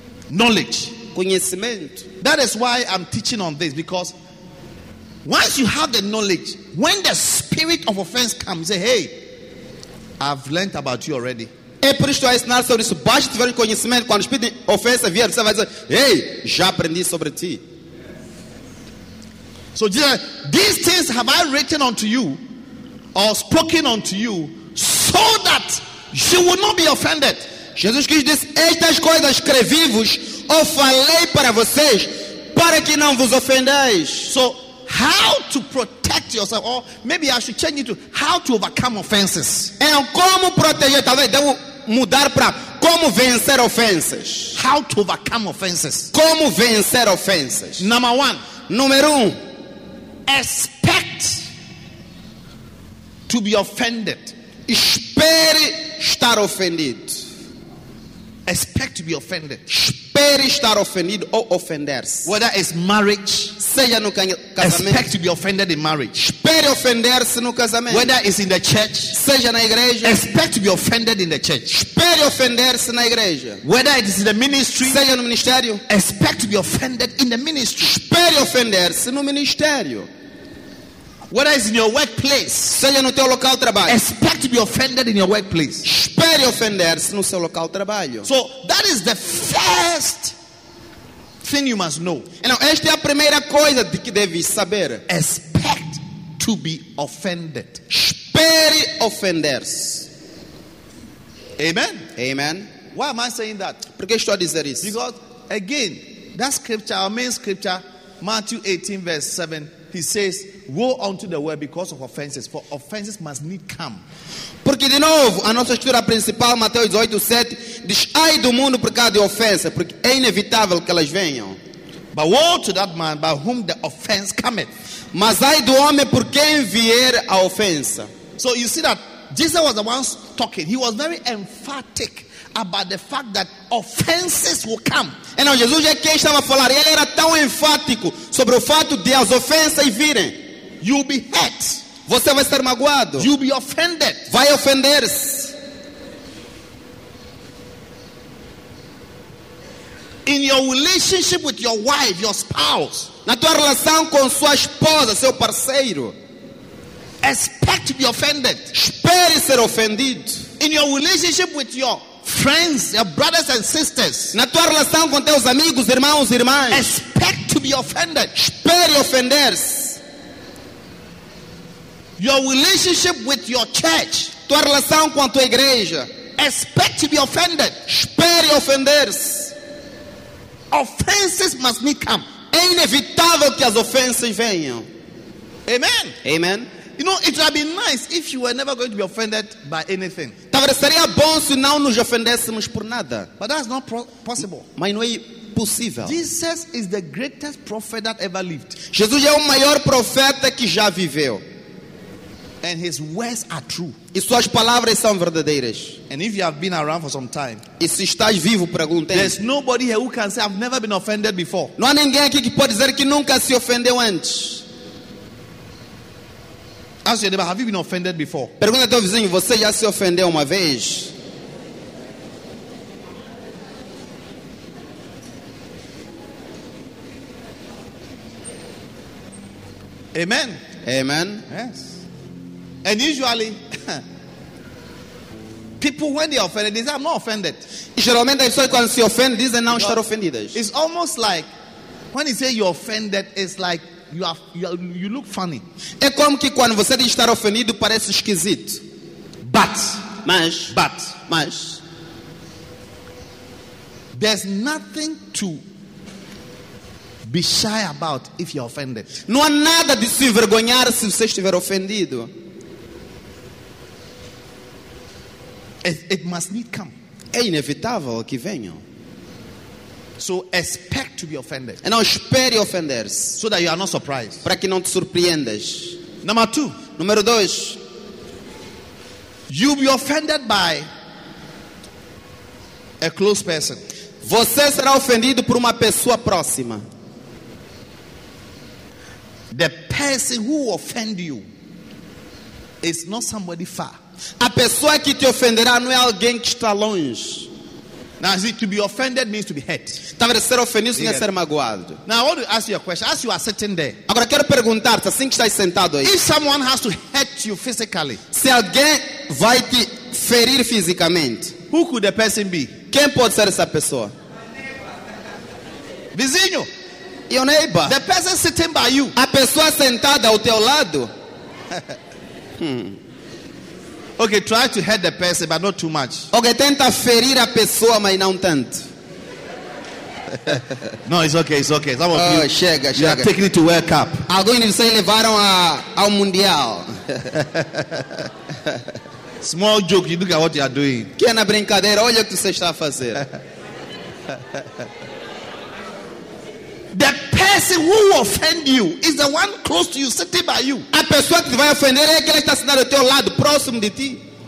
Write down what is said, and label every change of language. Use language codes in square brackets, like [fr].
[en] Knowledge. [pt] Conhecimento. [en] That is why I'm teaching on this, because once you have the knowledge, when the spirit of offense comes, say, "Hey, I've learned about you already." [pt] É por isso que eu ensino sobre isso. Basta tiver conhecimento. Quando o espírito de ofensa vier, você vai dizer: "Hey, já aprendi sobre ti." [en] So Jesus, "These things have I written unto you, or spoken unto you, so that you will not be offended." [pt] Jesus Cristo disse: "Estas coisas escrevi-vos, ou falei para vocês, para que não vos ofendais." [en] So how to protect yourself, or maybe I should change it to how to overcome offenses. [pt] É como proteger, talvez devo mudar para como vencer ofensas. [en] How to overcome offenses. [pt] Como vencer ofensas. [en] Number one. [pt] Número 1. [en] Expect to be offended. [pt] Espere estar ofendido. [en] Expect to be offended. [pt] Espere estar ofendido ou ofender-se. [en] Whether it's marriage, [pt] seja no casamento. [en] Expect to be offended in marriage. [pt] Espere ofender-se no casamento. [en] Whether it's in the church, [pt] seja na igreja. [en] Expect to be offended in the church. [pt] Espere ofender-se na igreja. [en] Whether it is in the ministry, [pt] seja no ministério. [en] Expect to be offended in the ministry. [pt] Espere ofender-se no ministério. [en] Whether it's in your workplace, [pt] seja no teu local de trabalho. [en] Expect to be offended in your workplace. [pt] Espere ofender-se no seu local de trabalho. [en] So that is the first thing you must know. [pt] Então, esta é a primeira coisa de que deve saber. [en] Expect to be offended. [pt] Espere ofender-se. [en] Amen. [pt] Amen. [en] Why am I saying that? [pt] Por que estou a dizer isso? [en] Because again, that scripture, our main scripture, Matthew 18 verse 7, he says, "Woe unto the world because of offenses, for offenses must need come." [pt] Porque de novo, a nossa escritura principal, Mateus 18, 7, diz: "Ai do mundo por causa de ofensas, porque é inevitável que elas venham." [en] But woe to that man by whom the offense cometh. [pt] Mas ai do homem por quem vier a ofensa. [en] So you see that Jesus was the one talking. He was very emphatic about the fact that offenses will come. [pt] E não, Jesus é quem estava a falar. Ele era tão enfático sobre o fato de as ofensas virem. [en] You'll be hurt. [pt] Você vai ser magoado. [en] You'll be offended. [pt] Vai ofender-se. [en] In your relationship with your wife, your spouse. [pt] Na tua relação com sua esposa, seu parceiro. [en] Expect to be offended. [pt] Espere ser ofendido. [en] In your relationship with your friends, your brothers and sisters. [pt] Na tua relação com teus amigos, irmãos e irmãs. [en] Expect to be offended. [pt] Espere ofender-se. [en] Your relationship with your church. [pt] Tua relação com a tua igreja. [en] Expect to be offended. [pt] Espere ofender-se. [en] Offenses must need come. [pt] É inevitável que as ofensas venham. [en] Amen. [pt] Amen. [en] You know, it would be nice if you were never going to be offended by anything. [pt] Talvez seria bom se não nos ofendêssemos por nada. [en] But that's not possible. [pt] Mas não é possível. [en] Jesus is the greatest prophet that ever lived. [pt] Jesus é o maior profeta que já viveu. [en] And his words are true. [pt] E suas palavras são verdadeiras. [en] And if you have been around for some time, [pt] e se estás vivo por algum tempo, [en] there's nobody here who can say I've never been offended before. [pt] Não há ninguém aqui que pode dizer que nunca se ofendeu antes. [en] Ask your neighbor, have you been offended before? [pt] Pergunta teu vizinho, você já se ofendeu uma vez? [en] Amen. [pt] Amen. [en] Yes. And usually, people when they are offended, they say, "I'm not offended." [pt] Geralmente, as pessoas quando se ofendem, dizem, "Não estou ofendidas." [en] It's almost like when you say you're offended, it's like you look funny. [pt] É como que quando você diz estar ofendido parece esquisito. [en] But there's nothing to be shy about if you're offended. [pt] Não há nada de se envergonhar se você estiver ofendido. [en] It must need come. [pt] É inevitável que venha. [en] So expect to be offended. [pt] Então espere ofender-se. [en] So that you are not surprised. [pt] Para que não te surpreendas. [en] Number two. [pt] Número dois. [en] You'll be offended by a close person. [pt] Você será ofendido por uma pessoa próxima. [en] The person who offend you is not somebody far. [pt] A pessoa que te ofenderá não é alguém que está longe. [en] Now, see, to be offended means to be hurt. [pt] Talvez ser ofendido significa ser magoado. [en] Now, I want to ask you a question. As you are sitting there. [pt] Agora quero perguntar-te assim que estás sentado aí. [en] If someone has to hurt you physically. [pt] Se alguém vai te ferir fisicamente. [en] Who could the person be? [pt] Quem pode ser essa pessoa? Vizinho. [en] Your neighbor. The person sitting by you. [pt] A pessoa sentada ao teu lado. [en] Okay, try to hurt the person, but not too much. [pt] Okay, tenta ferir a pessoa, mas não tanto. [en] No, it's okay. Some of you, [pt] chega. [en] You are taking it to World Cup. [pt] Alguns de vocês levaram ao Mundial. [en] Small joke, you look at what you are doing. [pt] Que é na brincadeira, olha o que você está a fazer. [en] The person who offend you is the one close to you, sitting by you. [pt] A pessoa que vai ofender é aquela que está sentada ao teu lado, próximo de ti.